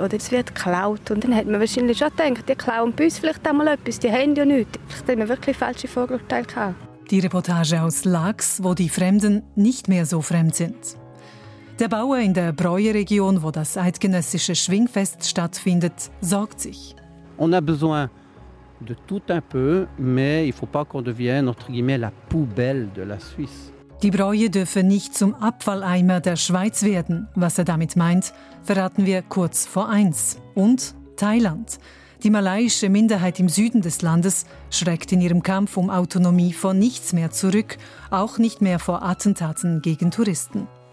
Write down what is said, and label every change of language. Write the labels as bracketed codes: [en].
[de] Oder es wird geklaut. Und dann hat man wahrscheinlich schon gedacht, die klauen bei uns vielleicht einmal etwas, die haben ja nichts. Vielleicht haben wir wirklich falsche Vorurteile gehabt. Die Reportage aus Laax, wo die Fremden nicht mehr so fremd sind. Der Bauer in der Breueregion, wo das eidgenössische Schwingfest stattfindet, sorgt sich. [fr] On a besoin de tout un peu, mais il faut pas qu'on devienne entre guillemets la poubelle de la Suisse. [de] Die Bräue dürfe nicht zum Abfalleimer der Schweiz werden. Was er damit meint, verraten wir kurz vor 1. Und Thailand. Die malaiische Minderheit im Süden des Landes schreckt in ihrem Kampf um Autonomie vor nichts mehr zurück, auch nicht mehr vor Attentaten gegen Touristen.